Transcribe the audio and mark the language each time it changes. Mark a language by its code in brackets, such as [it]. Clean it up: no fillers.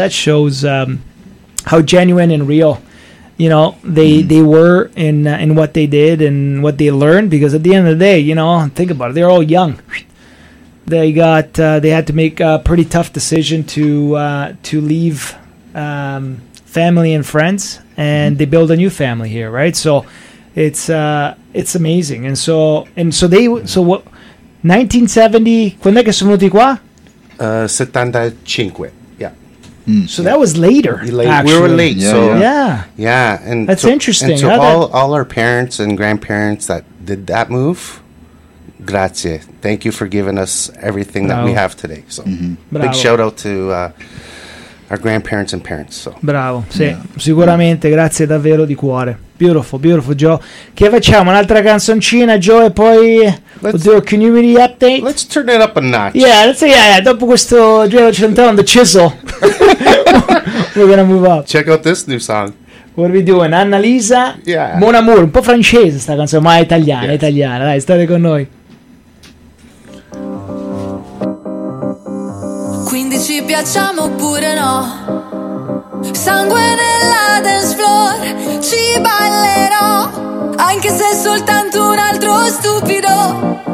[en] That shows how genuine and real, you know, they were in what they did and what they learned. Because at the end of the day, you know, think about it, they're all young. They got they had to make a pretty tough decision to leave family and friends, and they build a new family here, right? So it's amazing. And so [it] 1970, quando è che sono venuti qua? 75. [en] So that was later. We were late. Yeah. So yeah. And that's interesting. And all our parents and grandparents that did that move, grazie. Thank you for giving us everything that we have today. So big shout out to our grandparents and parents. So [it] bravo. Sì, yeah. Sicuramente. Grazie davvero di cuore. [en] Beautiful, beautiful, [it] Joe. Che facciamo? Un'altra canzoncina, Joe, e poi [en] do a community update? Let's turn it up a notch. Yeah, [it] dopo questo [en] Joe Centone, the chisel, we're going to move up. Check out this new song. What are we doing? Annalisa, yeah. [it] Mon Amour, un po' francese sta canzone, ma è italiana, yes. Italiana. Dai, state con noi. 15 ci piacciamo oppure no? Sangue nella dance floor, ci ballerò, anche se è soltanto un altro stupido.